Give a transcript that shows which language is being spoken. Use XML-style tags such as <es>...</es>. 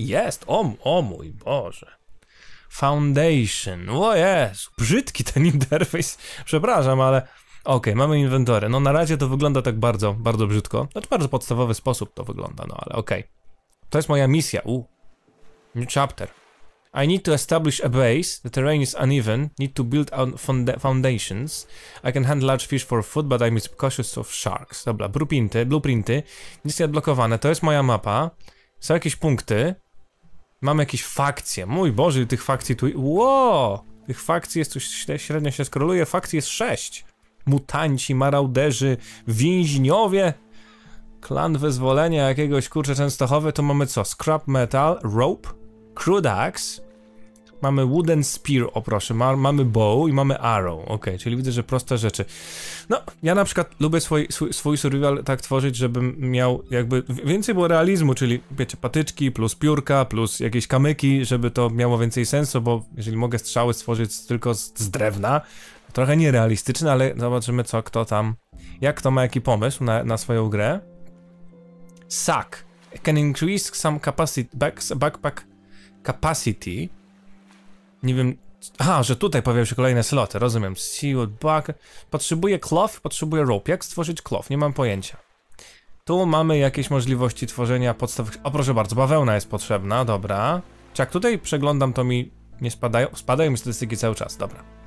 <pl>Jest! O mój Boże. Foundation. O Jezu, brzydki ten interfejs. Przepraszam, ale... Okej, mamy inwentory. No na razie to wygląda tak bardzo, bardzo brzydko. Znaczy bardzo podstawowy sposób to wygląda, no ale okej. To jest moja misja. New chapter.</pl> <en>I need to establish a base. The terrain is uneven. Need to build on foundations. I can handle large fish for food, but I'm cautious of sharks.</en> <pl>Dobra, blueprinty. Nic nie odblokowane. To jest moja mapa. Są jakieś punkty. Mam jakieś fakcje. Mój Boże, tych fakcji tu... Tych fakcji jest tu... Średnio się skroluje. Fakcji jest 6. Mutanci, marauderzy, więźniowie. Klan wyzwolenia jakiegoś, kurczę, Częstochowy. To mamy co? Scrap metal, rope, crude axe. Mamy wooden spear, o proszę. Mamy bow i mamy arrow. Okej, czyli widzę, że proste rzeczy. No, ja na przykład lubię swój survival tak tworzyć, żebym miał jakby więcej było realizmu, czyli wiecie, patyczki plus piórka plus jakieś kamyki, żeby to miało więcej sensu, bo jeżeli mogę strzały stworzyć tylko z drewna, trochę nierealistyczne, ale zobaczymy, co kto tam, jak to ma jaki pomysł na swoją grę. Sack.</pl> <en>It can increase some capacity, backpack capacity.</en> <pl>Nie wiem... Aha, że tutaj pojawiają się kolejne sloty, rozumiem. Seaward back. Potrzebuję cloth, potrzebuję rope. Jak stworzyć cloth? Nie mam pojęcia. Tu mamy jakieś możliwości tworzenia podstawowych... O, proszę bardzo, bawełna jest potrzebna, dobra. Czy jak tutaj przeglądam, to mi nie spadają... Spadają mi statystyki cały czas, dobra.</pl>